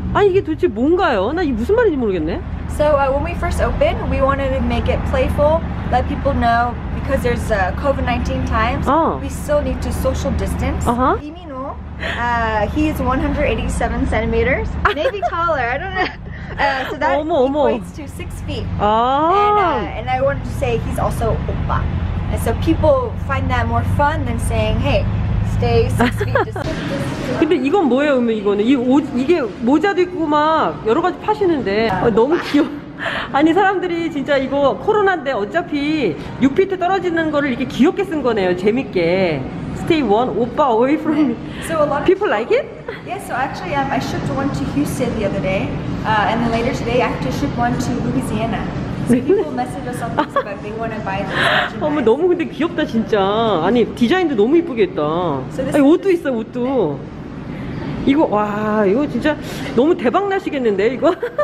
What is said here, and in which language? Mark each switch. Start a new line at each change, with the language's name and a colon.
Korean: 아니 이게 도대체 뭔가요? 나 이게 무슨 말인지 모르겠네.
English: So when we first opened, we wanted to make it playful, let people know because there's COVID-19 times, we still need to social distance. Imino, he is 187cm, maybe taller. I don't know. So that 어머, equates 어머. To 6 feet. And I wanted to say he's also 오빠. And so people find that more fun than saying, hey, stay 6 feet.
Korean: 근데 이건 뭐예요, 그러면 이거는? 이게 모자도 있고 막 여러 가지 파시는데 너무 귀여워. 아니 사람들이 진짜 이거 코로나인데 어차피 6피트 떨어지는 거를 이렇게 귀엽게 쓴 거네요, 재밌게.
English: Stay 1, 오빠 away from me. So a lot of people like it? Yeah, so actually I shipped one to Houston the other day. And then later today I have to ship one to Louisiana. So people message us on Facebook, they want to buy the
Korean: 어머 너무 근데 귀엽다 진짜. 아니 디자인도 너무 이쁘게 했다. 아니 옷도 있어 옷도. 이거 와 이거 진짜 너무 대박 나시겠는데 이거.